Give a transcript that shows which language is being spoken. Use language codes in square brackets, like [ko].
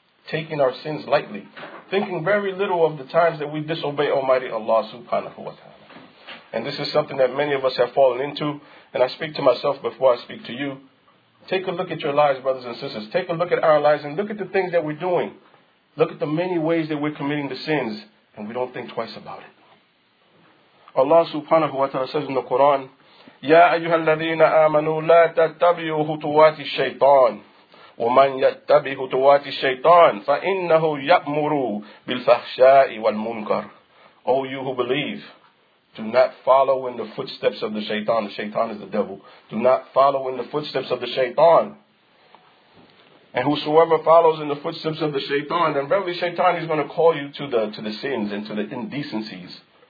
[en] Taking our sins lightly. Thinking very little of the times that we disobey Almighty Allah subhanahu wa ta'ala. And this is something that many of us have fallen into. And I speak to myself before I speak to you. Take a look at your lives, brothers and sisters. Take a look at our lives and look at the things that we're doing. Look at the many ways that we're committing the sins. And we don't think twice about it. Allah subhanahu wa ta'ala says in the Quran, [ar] يَا أَيُّهَا الَّذِينَ آمَنُوا لَا تَتَّبِعُوا خُطُوَاتِ الشَّيْطَانِ وَمَنْ يَتَّبِعُ خُطُوَاتِ الشَّيْطَانِ فَإِنَّهُ يَأْمُرُ بِالْفَحْشَاءِ وَالْمُنْكَرِ. [en] O you who believe, do not follow in the footsteps of the shaitan. The shaitan is the devil. Do not follow in the footsteps of the shaitan. And whosoever follows in the footsteps of the shaitan, then verily shaitan is going to call you to the sins and to the indecencies.